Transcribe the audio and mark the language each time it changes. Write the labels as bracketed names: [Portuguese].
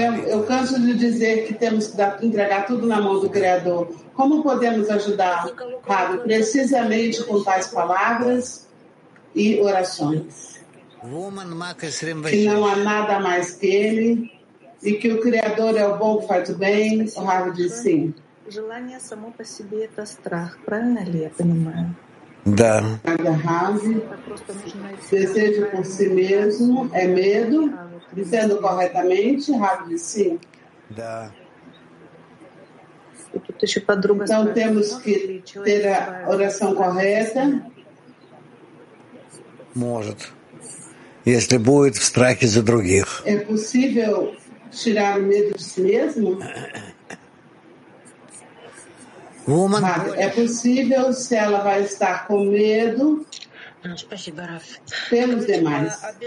[Portuguese] Eu canso de dizer que temos que entregar tudo na mão do Criador. Como podemos ajudar? Claro, precisamente com tais palavras e orações. Que não há nada mais que ele e que o Criador é o bom que faz o bem. O Rabi diz sim. [Russian] Желание само по себе это страх, правильно ли я понимаю? Да. [Portuguese] Desejo por si mesmo é medo, dizendo corretamente, Rabi, sim. [Russian] Да. [Portuguese] Então temos que ter a oração correta. [Russian] Может, если будет в страхе за других. [Portuguese] É possível tirar o medo de si mesmo? [English] Woman. [Portuguese] É possível se ela vai estar com medo pelos demais.